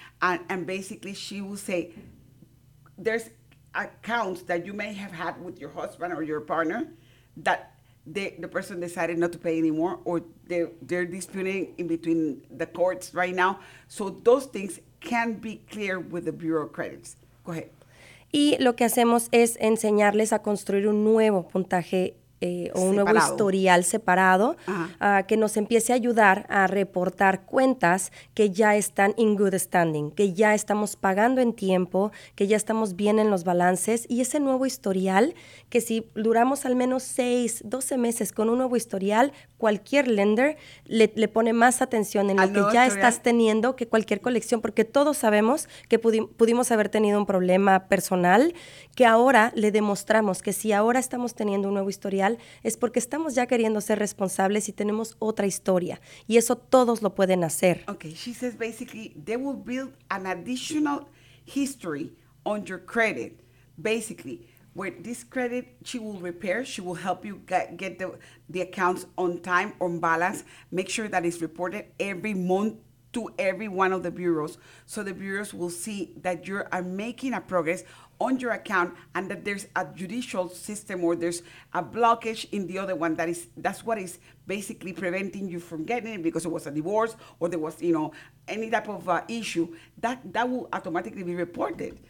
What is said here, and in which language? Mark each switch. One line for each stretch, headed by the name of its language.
English: And basically she will say, there's accounts that you may have had with your husband or your partner that the person decided not to pay anymore, or they're disputing in between the courts right now. So those things can be clear with the bureau credits. Go ahead.
Spanish: Y lo que hacemos es enseñarles a construir un nuevo puntaje nuevo historial separado que nos empiece a ayudar a reportar cuentas que ya están
English: in good standing,
Spanish: que ya estamos pagando en tiempo, que ya estamos bien en los balances. Y ese nuevo historial, que si duramos al menos 6-12 meses con un nuevo historial, cualquier lender le pone más atención en lo que ya estás teniendo que cualquier colección, porque todos sabemos que pudimos haber tenido un problema personal, que ahora le demostramos que si ahora estamos teniendo un nuevo historial es porque estamos ya queriendo ser responsables y tenemos otra historia, y eso todos lo pueden hacer.
English: Okay, she says basically they will build an additional history on your credit, basically. Where this credit, she will repair, she will help you get the accounts on time, on balance, make sure that it's reported every month to every one of the bureaus, so the bureaus will see that you are making a progress on your account and that there's a judicial system or there's a blockage in the other one that's what is basically preventing you from getting it, because it was a divorce or there was, any type of issue, that will automatically be reported.